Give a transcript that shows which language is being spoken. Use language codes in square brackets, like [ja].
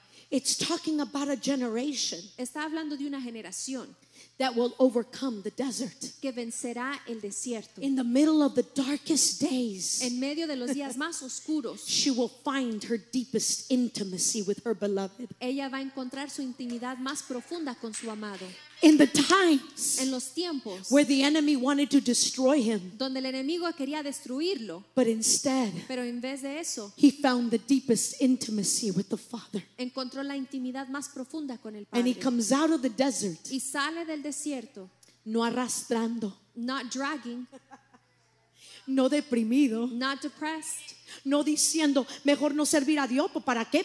[en] It's talking about a generation. [es] Está hablando de una generación. [en] that will overcome the desert. [es] Que vencerá el desierto. [en] In the middle of the darkest days. [es] En medio de los días más oscuros. [en] She will find her deepest intimacy with her beloved. [es] Ella va a encontrar su intimidad más profunda con su amado. [en] In the times. [es] En los tiempos. [en] Where the enemy wanted to destroy him. [es] Donde el enemigo quería destruirlo. [en] But instead. [es] Pero en vez de eso. [en] He found the deepest intimacy with the Father. [es] Encontró la intimidad más profunda con el Padre. [en] And he comes out of the desert. [es] Y sale del desierto. No arrastrando. [en] Not dragging. [es] No deprimido. [en] Not depressed. [es] No diciendo, mejor no servir a Dios, ¿para qué?